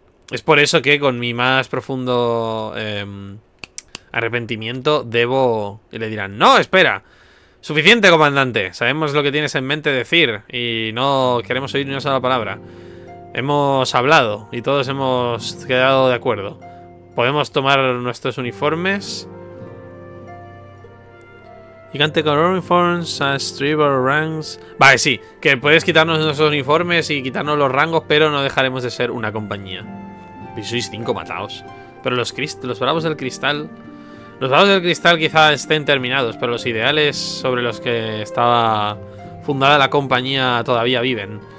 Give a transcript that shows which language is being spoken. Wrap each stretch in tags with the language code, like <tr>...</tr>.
<es>Es por eso que con mi más profundo arrepentimiento debo... Y le dirán, ¡no, espera! Suficiente, comandante. Sabemos lo que tienes en mente decir y no queremos oír ni una sola palabra. Hemos hablado y todos hemos quedado de acuerdo. Podemos tomar nuestros uniformes.</es> <en>You can take our uniforms and strip our ranks.</en> <es>Vale, sí, que puedes quitarnos nuestros uniformes y quitarnos los rangos, pero no dejaremos de ser una compañía. Y sois cinco matados. Pero los bravos del cristal. Los bravos del cristal quizá estén terminados, pero los ideales sobre los que estaba fundada la compañía todavía viven.</es>